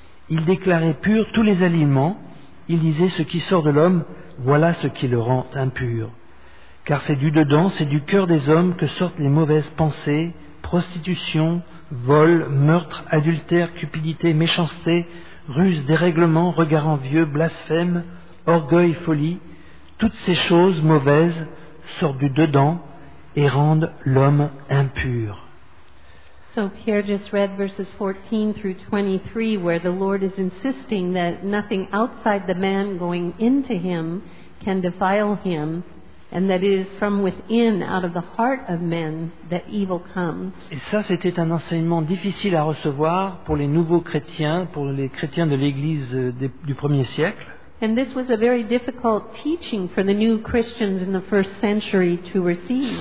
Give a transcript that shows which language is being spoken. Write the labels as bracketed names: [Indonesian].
[French] Il déclarait pur tous les aliments. Il disait, « Ce qui sort de l'homme, voilà ce qui le rend impur. » Car c'est du dedans, c'est du cœur des hommes que sortent les mauvaises pensées, prostitution, vol, meurtre, adultère, cupidité, méchanceté, ruse, dérèglement, regard envieux, blasphème, orgueil, folie. Toutes ces choses mauvaises sortent du dedans et rendent l'homme impur. [English] So Pierre just read verses 14 through 23 where the Lord is insisting that nothing outside the man going into him can defile him. And that it is from within, out of the heart of men, that evil comes. [French] Et ça, c'était un enseignement difficile à recevoir pour les nouveaux chrétiens, pour les chrétiens de l'Église du premier siècle. [English] And this was a very difficult teaching for the new Christians in the first century to receive.